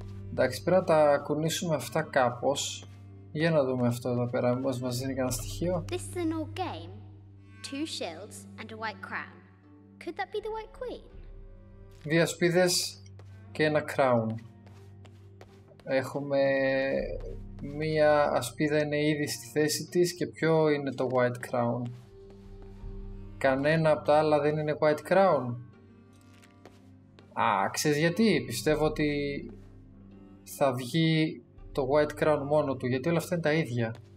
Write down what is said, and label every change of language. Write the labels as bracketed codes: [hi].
[el] Εντάξει, πρέπει να τα κουνήσουμε αυτά κάπως. Για να δούμε αυτό εδώ πέρα. Μήπως μας δίνει κανένα στοιχείο. [en] This is an old game. Two shields and a white crown. Could that be the White Queen? [el] Δύο σπίδες και ένα crown. Έχουμε μία ασπίδα είναι ήδη στη θέση της και ποιο είναι το White Crown. Κανένα από τα άλλα δεν είναι White Crown. Α, ξέρεις γιατί, πιστεύω ότι θα βγει το White Crown μόνο του, γιατί όλα αυτά είναι τα ίδια.